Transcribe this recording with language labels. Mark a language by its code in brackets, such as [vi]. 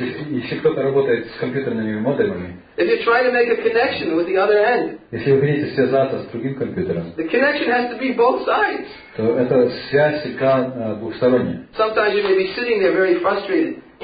[ru] Если кто-то работает с компьютерными модемами. [en] If you're trying to make a connection with the other end. [ru] Если вы хотите связаться с другим компьютером. [en] The connection has to be both sides. [ru] То эта связь всегда двухсторонняя. [en] Sometimes you may be sitting there very frustrated.